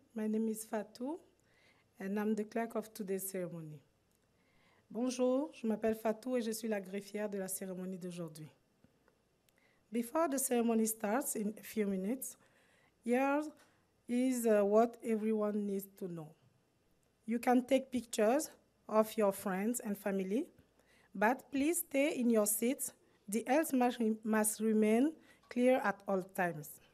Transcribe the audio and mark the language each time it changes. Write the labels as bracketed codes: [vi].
[en] My name is Fatou, and I'm the clerk of today's ceremony. [fr] Bonjour, je m'appelle Fatou et je suis la greffière de la cérémonie d'aujourd'hui. [en] Before the ceremony starts in a few minutes, here is what everyone needs to know. You can take pictures of your friends and family, but please stay in your seats. The aisles must remain clear at all times.